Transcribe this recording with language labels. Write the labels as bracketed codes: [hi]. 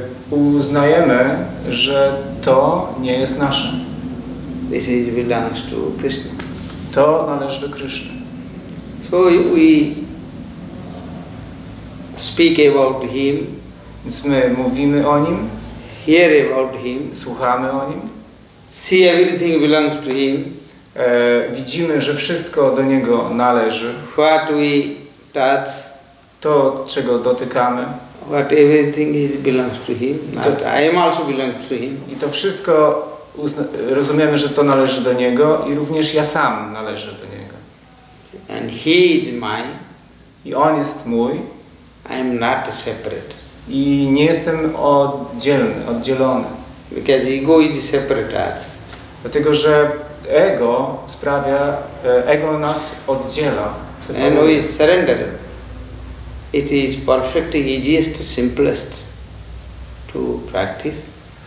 [pl] Uznajemy, że to nie jest nasze. [en] This is belongs to Krishna. [pl] To należy do Krishna. [en] So we speak about him. [pl] Więc my mówimy o nim. [en] Hear about him. [pl] Słuchamy o nim. [en] See everything belongs to him. [pl] Widzimy, że wszystko do niego należy. [en] What we touch. [pl] To, czego dotykamy. [en] What everything is belongs to him. Not, I am also belong to him. [pl] I to wszystko rozumiemy, że to należy do niego i również ja sam należę do niego. [en] And he is mine. [pl] I on jest mój. [en] I am not separate. [pl] I nie jestem oddzielny, oddzielony. [en] Because ego is separate us. [pl] Dlatego, że ego sprawia, ego nas oddziela. Separuje. [en] And we surrender. It is perfect, easiest, simplest to practice.